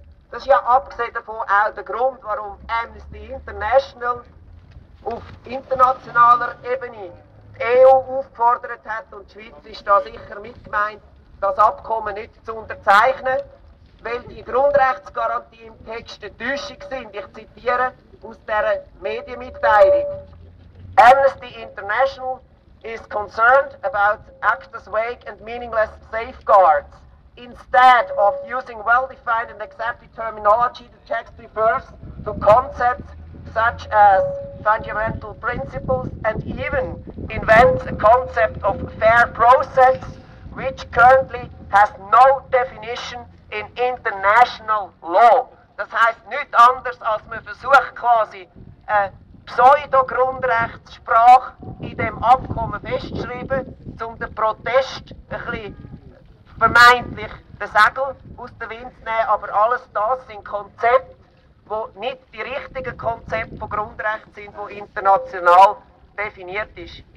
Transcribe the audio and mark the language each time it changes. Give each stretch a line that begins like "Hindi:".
German: Das ist ja abgesehen davon auch der Grund, warum Amnesty International auf internationaler Ebene die EU aufgefordert hat und die Schweiz ist da sicher mitgemeint, das Abkommen nicht zu unterzeichnen, weil die Grundrechtsgarantie im Text eine Täuschung sind. Ich zitiere aus dieser Medienmitteilung.
English: Amnesty International is concerned about ACTA's vague and meaningless safeguards. Instead of using well-defined and accepted terminology, the text refers to concepts such as fundamental principles and even invents a concept of fair process, which currently has no definition in international law.
German: Das heisst nichts anderes, als man versucht quasi eine Pseudo-Grundrechtssprache in dem Abkommen festzuschreiben, um den Protest ein bisschen vermeintlich den Segel aus dem Wind zu nehmen, aber alles das sind Konzepte, die nicht die richtigen Konzepte von Grundrecht sind, die international definiert sind.